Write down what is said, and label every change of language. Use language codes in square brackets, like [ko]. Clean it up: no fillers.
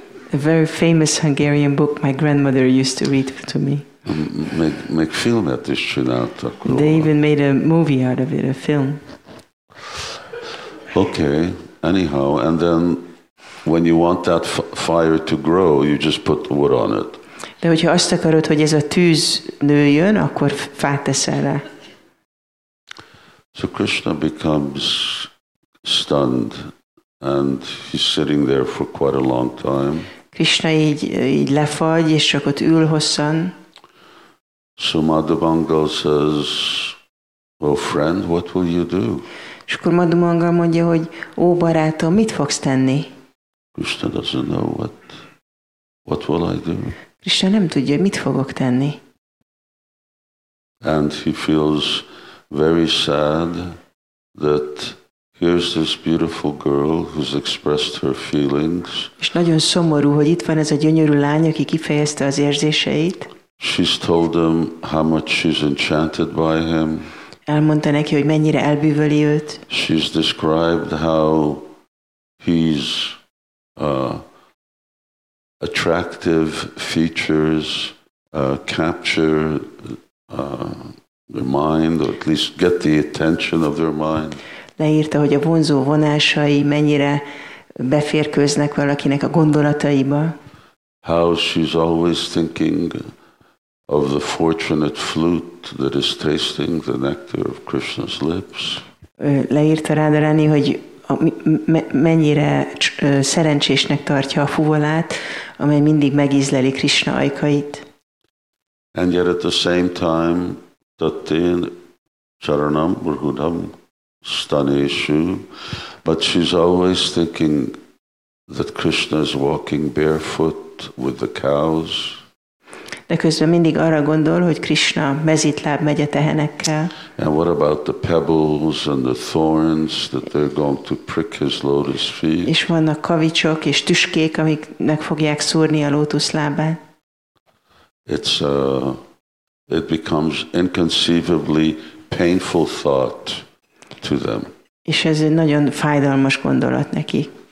[en] A very famous Hungarian book my grandmother used to read to me. [hu] Meg filmet is csináltak róla. [en] They even made a movie out of it, a film. Okay, anyhow, and then when you want that fire to grow, you just put the wood on it. [hu] De hogyha azt akarod, hogy ez a tűz nőjön, akkor fát teszel rá. [en] So Krishna becomes stunned and he's sitting there for quite a long time. [hu] Krishna így lefagy, és csak ott ül hosszan. [en] So Madhubangal says, "Oh friend, what will you do?" [hu] És akkor Madhubangal mondja, hogy ó barátom, mit fogsz tenni? [en] Krishna doesn't know what will I do? [hu] Krishna nem tudja, mit fogok tenni. [en] And he feels very sad that here's this beautiful girl who's expressed her feelings. [hu] És nagyon szomorú, hogy itt van ez a gyönyörű lány, aki kifejezte az érzéseit. [en] She's told him how much she's enchanted by him. [hu] Elmondta neki, hogy mennyire elbűvöli őt. [en] She's described how he's attractive features capture their mind, or at least get the attention of their mind. [hu] Leírta, hogy a vonzó vonásai mennyire beférkőznek valakinek a gondolataiba. [en] How she's always thinking of the fortunate flute that is tasting the nectar of Krishna's lips. [hu] Leírta Radha Rani, hogy mennyire szerencsésnek tartja a fuvolát, amely mindig megízleli Krishna ajkait. [en] And yet at the same time, [sa] tatin charanam burhudam staneshu, [en] but she's always thinking that Krishna is walking barefoot with the cows. [hu] De közben mindig arra gondol, hogy Krishna mezítláb megy a tehenekkel. [en] And what about the pebbles and the thorns that they're going to prick his lotus feet? [hu] És vannak kavicsok és tüskék, amiknek fogják szúrni a lótuszlábát. [en] It becomes inconceivably painful thought to them. [hu] És ez egy nagyon fájdalmas gondolat neki.